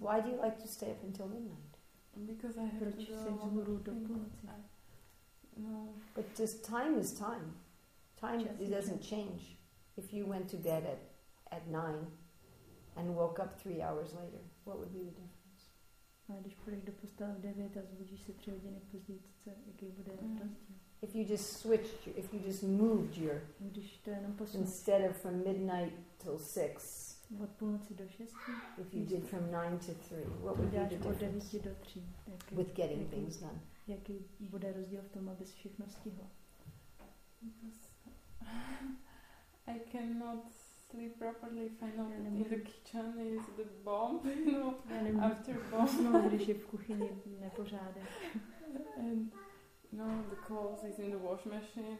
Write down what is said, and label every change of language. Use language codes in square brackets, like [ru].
[en] Why do you like to stay up until midnight? Because I have to go home [cs] do půlnoci. [en] But just time is time. Time, it doesn't change. If you went to bed at 9 and woke up 3 hours later, what would be the difference? [cs] A když půjdeš do postele v 9 a zbudíš se 3 hodiny později, co, jaký bude rozdíl? [en] If you just switched, if you just moved your, [cs] když to jenom posunuš, [en] instead of from midnight till 6, [cs] od půlnoci do 6, [en] if you did from 9 to 3, what would be the difference? [cs] Od 9 do 3, jaký, [en] with getting [cs] jaký, [en] things done. [cs] Jaký bude rozdíl v tom, abys všechno stihla? [en] I cannot sleep properly if I know that in the kitchen is the bomb, you know, after bomb. [cs] No, když je v kuchyni nepořádek. [en] And, no, the clothes is in the wash machine.